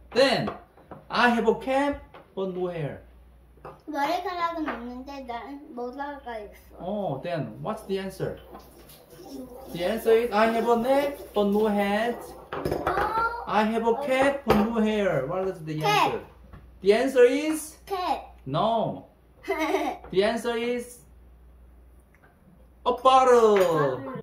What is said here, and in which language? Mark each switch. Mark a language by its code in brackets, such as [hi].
[en] Then, I have a cap, but no hair. [ko] 머리카락은 없는데, 난 모자가 있어. [en] Oh, then, what's the answer? The answer is, I have a neck, but no head. I have a cap, but no hair. What is the answer? Cap. The answer is? Cap. No. The answer is? A bottle.